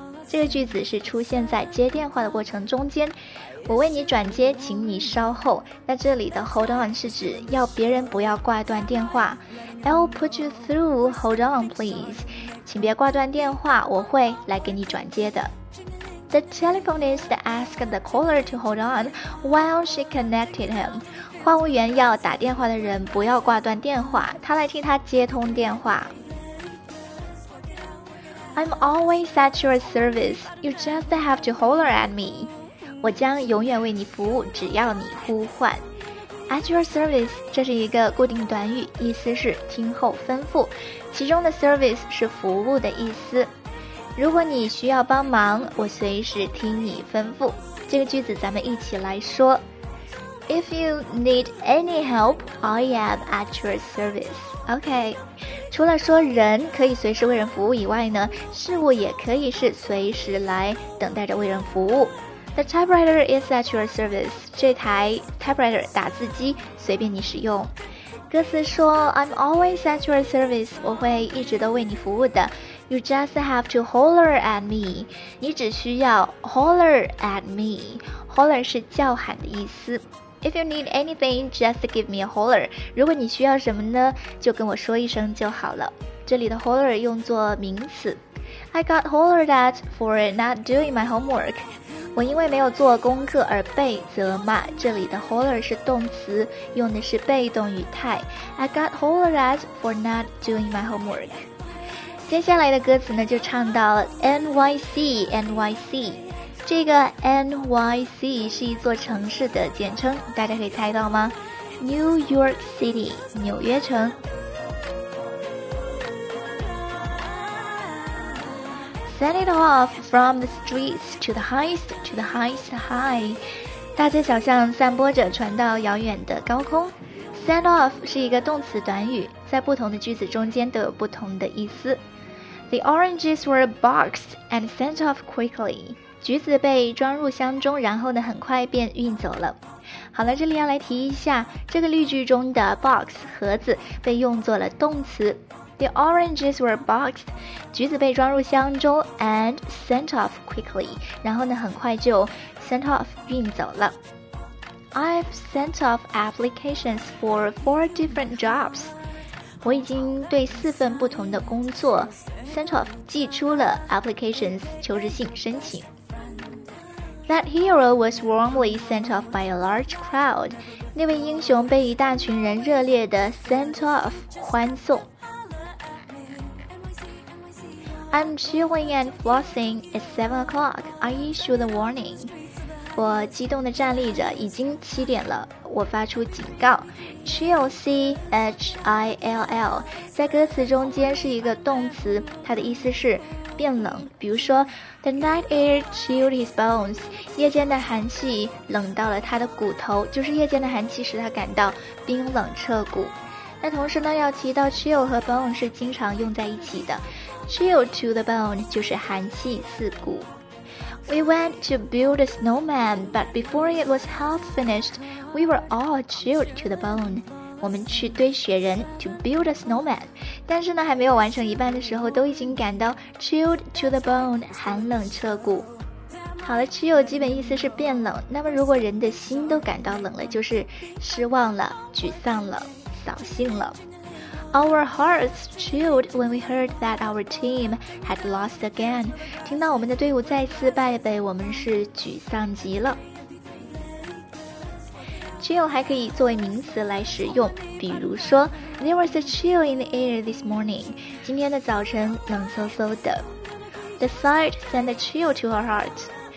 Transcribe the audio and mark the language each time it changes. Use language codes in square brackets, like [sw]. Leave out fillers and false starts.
[zh] 这个句子是出现在接电话的过程中间。我为你转接，请你稍后。那这里的 hold on 是指要别人不要挂断电话。 [en] I'll put you through, hold on, please. [zh] 请别挂断电话，我会来给你转接的。 [en] The telephonist asked the caller to hold on while she connected him. [zh] 话务员要打电话的人不要挂断电话，他来替他接通电话。 [en] I'm always at your service. You just have to holler at me. [zh] 我将永远为你服务，只要你呼唤。 At your service， 这是一个固定短语，意思是听候吩咐。其中的 service 是服务的意思。如果你需要帮忙，我随时听你吩咐。这个句子咱们一起来说。 [en] If you need any help, I am at your service. [zh] OK， 除了说人可以随时为人服务以外呢，事物也可以是随时来等待着为人服务。 [en] The typewriter is at your service. [zh] 这台 typewriter 打字机随便你使用。歌词说 [en] I'm always at your service， [zh] 我会一直都为你服务的。 [en] You just have to holler at me. [zh] 你只需要 [en] holler at me. [zh] Holler 是叫喊的意思。 [en] If you need anything, just give me a holler. [zh] 如果你需要什么呢，就跟我说一声就好了。这里的 holler 用作名词。 [en] I got hollered at for not doing my homework. [zh] 我因为没有做功课而被责骂。这里的 holler 是动词，用的是被动语态。 [en] I got hollered at for not doing my homework. [zh] 接下来的歌词呢，就唱到 NYC NYC， 这个 NYC 是一座城市的简称，大家可以猜到吗？ [en] New York City， 纽约城。 Send it off from the streets to the highest to the highest high， [zh] 大街小巷散播着，传到遥远的高空。 Send off 是一个动词短语，在不同的句子中间都有不同的意思。 [en] The oranges were boxed and sent off quickly. [zh] 橘子被装入箱中，然后呢，很快便运走了。好了，这里要来提一下，这个例句中的 box 盒子被用作了动词。 [en] The oranges were boxed， [zh] 橘子被装入箱中 [en] and sent off quickly， [zh] 然后呢，很快就 sent off 运走了。 [en] I've sent off applications for 4 different jobs. [zh] 我已经对四份不同的工作 sent off 寄出了 applications 求职信申请。 [en] That hero was warmly sent off by a large crowd. [zh] 那位英雄被一大群人热烈的 sent off 欢送。 [en] I'm chewing and flossing, it's 7 o'clock, I issue the warning. [zh] 我激动地站立着，已经七点了，我发出警告。 Chill C-H-I-L-L 在歌词中间是一个动词，它的意思是变冷。比如说 [en] The night air chilled his bones， [zh] 夜间的寒气冷到了他的骨头，就是夜间的寒气使他感到冰冷彻骨。那同时呢，要提到 chill 和 bone 是经常用在一起的。 [en] Chill to the bone [zh] 就是寒气刺骨。 [en] We went to build a snowman, but before it was half finished, we were all chilled to the bone. [zh] 我们去堆雪人 [en] to build a snowman, [zh] 但是呢，还没有完成一半的时候，都已经感到 [en] chilled to the bone, [zh] 寒冷彻骨。好了 ，chill 基本意思是变冷。那么如果人的心都感到冷了，就是失望了、沮丧了、扫兴了。 [en] Our hearts chilled when we heard that our team had lost again. [zh] 听到我们的队伍再次败北，我们是沮丧极了。 Chill 还可以作为名词来使用，比如说 [en] There was a chill in the air this morning. [zh] 今天的早晨冷飕飕的。 [en] The sight sent a chill to her heart.